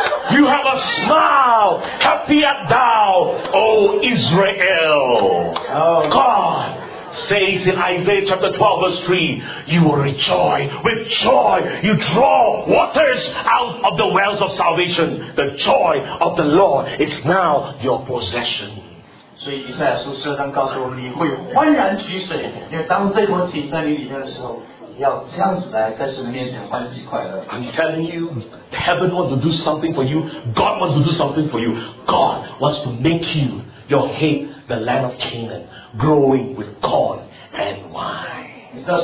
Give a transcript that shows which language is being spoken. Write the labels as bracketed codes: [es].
[en] You have a smile, happy at thou, O Israel. Oh. God says in Isaiah chapter 12 verse 3, you will rejoice with joy. You draw waters out of the wells of salvation. The joy of the Lord is now your possession. [zh] 所以以赛亚书十二章告诉我们，你会欢然取水，因为当这波井在你里面的时候，你要这样子来在神面前欢喜快乐。 [en] I'm telling you, heaven wants to do something for you. God wants to do something for you. God wants to make you, your head, the land of Canaan, growing with corn and wine.